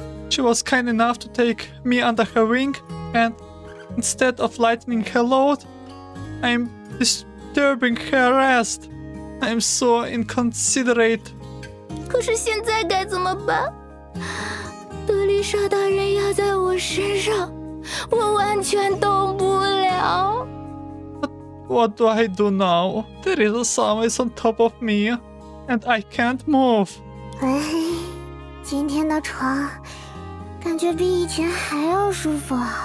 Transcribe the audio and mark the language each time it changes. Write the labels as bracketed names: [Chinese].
[English] She was kind enough to take me under her wing and instead of lightening her load, I'm disturbing her rest. I'm so inconsiderate. [Chinese] 可是现在该怎么办？德丽莎大人压在我身上，我完全动不了。 [English] What do I do now? There is a summit on top of me, and I can't move. [Chinese] 今天的床感觉比以前还要舒服。